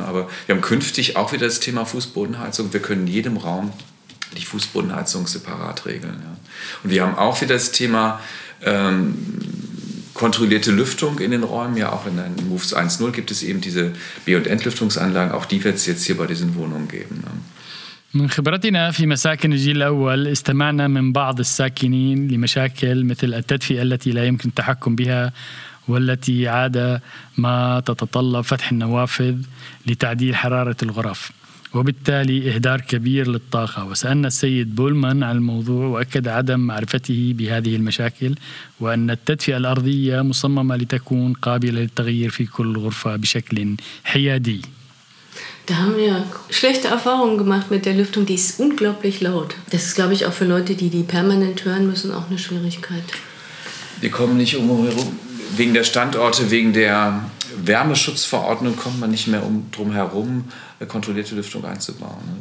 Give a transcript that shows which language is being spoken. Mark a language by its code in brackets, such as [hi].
[de] Aber wir haben künftig auch wieder das Thema Fußbodenheizung. Wir können in jedem Raum die Fußbodenheizung separat regeln. Ja. Und wir haben auch wieder das Thema kontrollierte Lüftung in den Räumen. Ja, auch in den MOVES 1.0 gibt es eben diese B- und Entlüftungsanlagen. Auch die wird es jetzt hier bei diesen Wohnungen geben. Ne. [ar] من خبرتنا في مساكن الجيل الأول استمعنا من بعض الساكنين لمشاكل مثل التدفئة التي لا يمكن التحكم بها والتي عادة ما تتطلب فتح النوافذ لتعديل حرارة الغرف وبالتالي إهدار كبير للطاقة وسألنا السيد بولمان عن الموضوع وأكد عدم معرفته بهذه المشاكل وأن التدفئة الأرضية مصممة لتكون قابلة للتغيير في كل غرفة بشكل حيادي. [de] Da haben wir schlechte Erfahrungen gemacht mit der Lüftung. Die ist unglaublich laut. Das ist, glaube ich, auch für Leute, die permanent hören müssen, auch eine Schwierigkeit. Wir kommen nicht umherum. Wegen der Standorte, wegen der Wärmeschutzverordnung kommt man nicht mehr drum herum, kontrollierte Lüftung einzubauen.